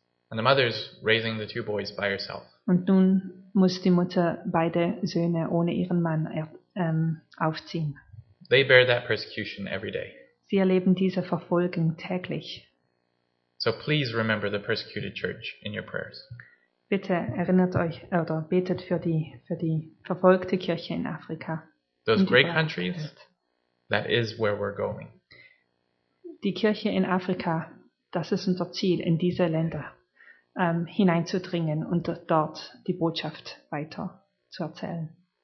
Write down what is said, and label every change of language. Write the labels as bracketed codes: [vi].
[en] And the mother's raising the two boys by herself. [de] Und nun muss die Mutter beide Söhne ohne ihren Mann aufziehen. [en] They bear that persecution every day. [de] Sie erleben diese Verfolgung täglich. [en] So please remember the persecuted church in your prayers. [de] Bitte erinnert euch oder betet für die verfolgte Kirche in Afrika. [en] Those great countries, that is where we're going. [de] Die Kirche in Afrika, das ist unser Ziel, in diese Länder hineinzudringen und dort die Botschaft weiter zu erzählen.